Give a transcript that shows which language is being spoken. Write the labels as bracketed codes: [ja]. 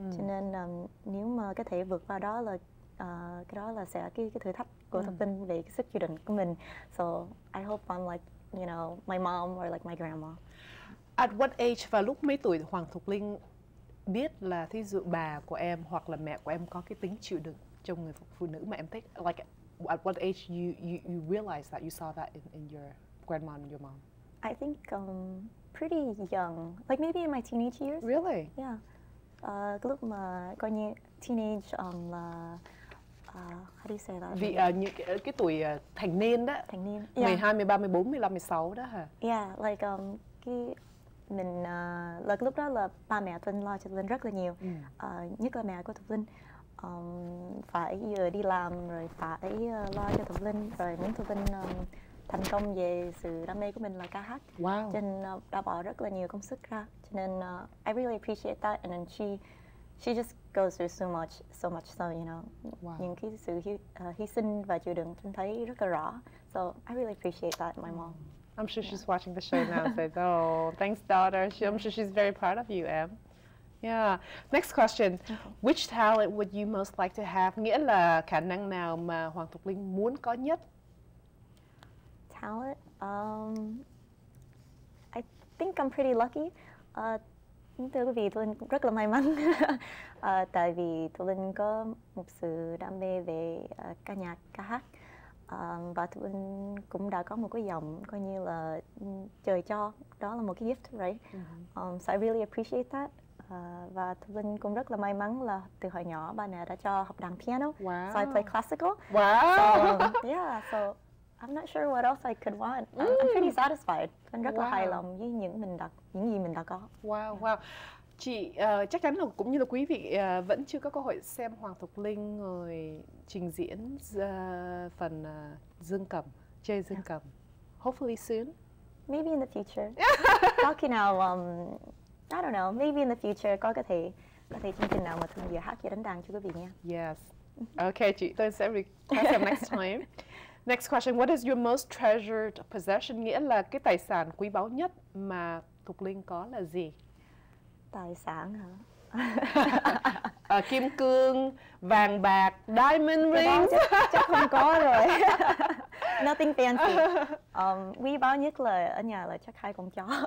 [vi] Cho nên nếu mà có thể vượt qua đó là cái đó là sẽ cái thử thách của thông tin về cái sức chịu đựng của mình. [en] So I hope I'm like, you know, my mom or like my grandma. At what age, [vi] và lúc mấy tuổi Hoàng Thục Linh biết là thí dụ bà của em hoặc là mẹ của em có cái tính chịu đựng trong người phụ nữ mà em thích? [en] Like, at what age you realize that, you saw that in your grandma and your mom? I think pretty young, like maybe in my teenage years. Really? Yeah. [vi] Lúc mà coi như [en] teenage là, how do you say that? [vi] Vì cái tuổi thành niên đó. Thành niên, 12, 13, 14, 15, 16 đó hả? [en] Yeah, like cái... [vi] Mình like lúc đó là ba mẹ Thục lo cho Linh rất là nhiều, nhất là mẹ của Thục Linh, phải đi làm rồi phải lo cho Thục Linh, rồi muốn Thục Linh thành công về sự đam mê của mình là ca hát. [en] Wow. [vi] Cho nên đã bỏ rất là nhiều công sức ra, cho nên [en] I really appreciate that, and then she just goes through so much, so you know, [vi] những cái sự hy sinh và chịu đựng Linh thấy rất là rõ, [en] so I really appreciate that my mom. I'm sure she's watching the show now and says, oh, thanks, daughter. I'm sure she's very proud of you, Em. Yeah. Next question. Okay. Which talent would you most like to have? [vi] Nghĩa là khả năng nào mà Hoàng Thục Linh muốn có nhất? [en] Talent? I think I'm pretty lucky. [vi] Thưa quý vị, Thục Linh rất là may mắn. Tại vì Thục Linh có một sự đam mê về ca nhạc, ca hát. Và Thục Linh cũng đã có một cái giọng coi như là trời cho, đó là một cái gift, right? [en] So I really appreciate that. [vi] Và Thục Linh cũng rất là may mắn là từ hồi nhỏ ba mẹ đã cho học đàn piano. [en] Wow. So I play classical. Wow. So, yeah, so I'm not sure what else I could want. I'm pretty satisfied. [vi] Mình rất là hài lòng với những gì mình đã có. [en] Wow, wow. [vi] Chị chắc chắn là cũng như là quý vị vẫn chưa có cơ hội xem Hoàng Thục Linh người trình diễn phần dương cầm, chơi dương cầm. [en] Hopefully soon. Maybe in the future. Talking now, I don't know, maybe in the future [vi] có thể chương trình nào mà thường vừa hát vừa đánh đàn cho quý vị nha. [en] Yes. Okay, [vi] chị tôi sẽ [en] request them next time. Next question, what is your most treasured possession? [vi] Nghĩa là cái tài sản quý báu nhất mà Thục Linh có là gì? Tài sản hả? Kim cương, vàng bạc, [en] diamond ring. [vi] Chắc không có rồi. [en] Nothing fancy. [vi] Quý báu nhất là ở nhà là chắc hai con chó.